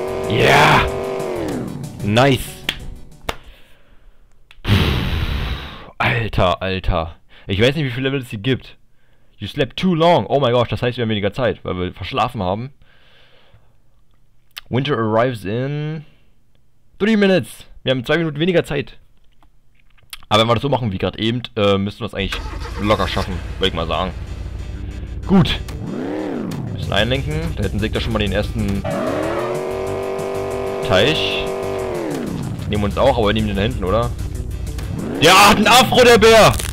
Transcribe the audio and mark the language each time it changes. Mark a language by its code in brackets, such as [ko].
[en] Yeah! Nice! [de] Alter, Alter! Ich weiß nicht, wie viele Level es hier gibt. [en] You slept too long! [de] Oh mein Gott, das heißt, wir haben weniger Zeit, weil wir verschlafen haben. [en] Winter arrives in 3 minutes! [de] Wir haben 2 Minuten weniger Zeit. Aber wenn wir das so machen wie gerade eben, müssen wir es eigentlich locker schaffen, würde ich mal sagen. Gut. Ein bisschen einlenken. Da hätten sie da schon mal den ersten Teich. Nehmen wir uns auch, aber wir nehmen den da hinten, oder? Der hat einen Afro, der Bär!